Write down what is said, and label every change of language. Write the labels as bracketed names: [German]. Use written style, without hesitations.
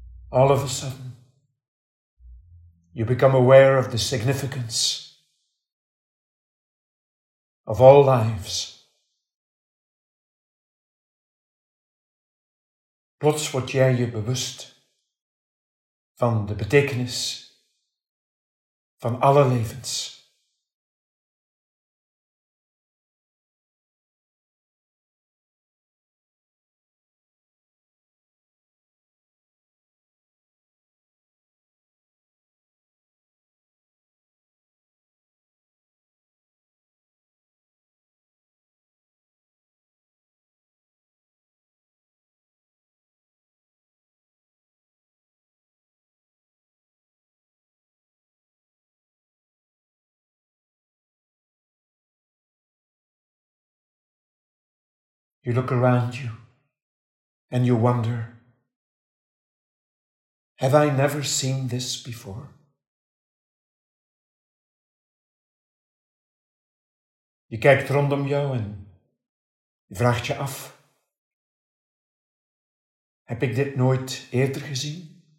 [English] All of a sudden, you become aware of the significance of all lives. [Dutch] Plots word jij je bewust van de betekenis van alle levens. [English] You look around you and you wonder, have I never seen this before? [Dutch] Je kijkt rondom jou en je vraagt je af, heb ik dit nooit eerder gezien?